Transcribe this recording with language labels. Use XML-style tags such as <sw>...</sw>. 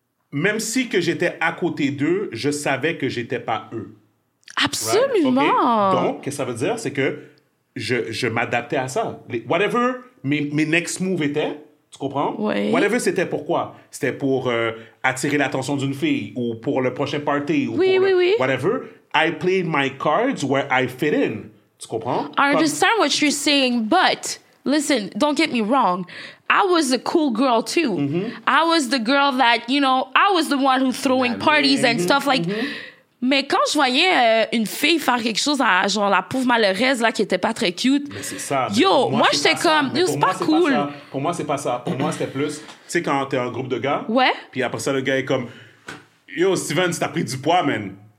<fr>Même si que j'étais à côté d'eux, je savais que j'étais pas eux. Absolument. Donc, qu'est-ce que ça veut dire? C'est que je m'adaptais à ça. Whatever mes</fr> <en>next moves</en> <fr>étaient, tu comprends? Oui. Whatever c'était pourquoi? C'était pour attirer l'attention d'une fille ou pour le prochain party ou oui, pour oui, le, oui.</fr> <en>Whatever. I played my cards where I fit in.</en> <fr>Tu comprends?</fr> <en>I understand what you're saying, but listen, don't get me wrong. I was a cool girl too. Mm-hmm. I was the girl that, you know, I was the one who throwing parties and stuff like.</en> <fr>Mais quand je voyais une fille faire quelque chose à genre la pauvre malheureuse là qui était pas très cute. Mais c'est ça. Yo, moi j'étais comme, yo, c'est pas cool. Pour moi c'est pas ça. Pour moi c'était plus, tu sais, quand t'es un groupe de gars. Ouais. Puis après ça le gars est comme, yo Steven, tu t'as pris du poids, man.</fr>